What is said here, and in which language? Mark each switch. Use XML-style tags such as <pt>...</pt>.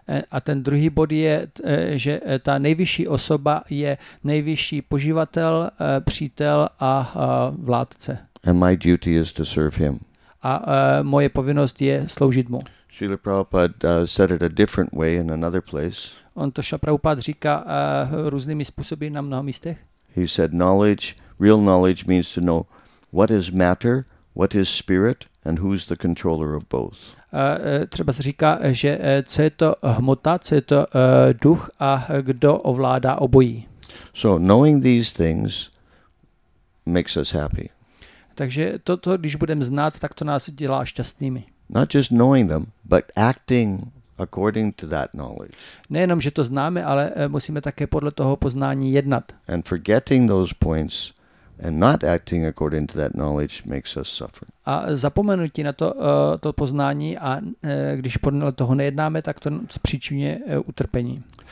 <cs>A ten druhý bod je, že ta nejvyšší osoba je nejvyšší poživatel, přítel a vládce.</cs> <en>And my duty is to serve him.</en> <cs>A moje povinnost je sloužit mu.</cs> <en>Srila Prabhupada said it a different way in another place.</en> <cs>On to Srila Prabhupada říká různými způsoby na mnoha místech.</cs> <en>He said knowledge, real knowledge means to know what is matter, what is spirit and who's the controller of both.</en> <cs>Třeba se říká, že co je to hmota, co je to duch a kdo ovládá obojí.</cs> <en>So knowing these things makes us happy.</en> <cs>Takže toto, když budeme znát, tak to nás dělá šťastnými.</cs> <en>Not just knowing them, but acting according to that knowledge.</en> <cs>Nejenom, že to známe, ale musíme také podle toho poznání jednat.</cs> <en>And forgetting those points and not acting according to that knowledge makes us suffer.</en> <cs>A zapomenutí na to, to poznání a když podle toho nejednáme, tak to příčiní utrpení.</cs>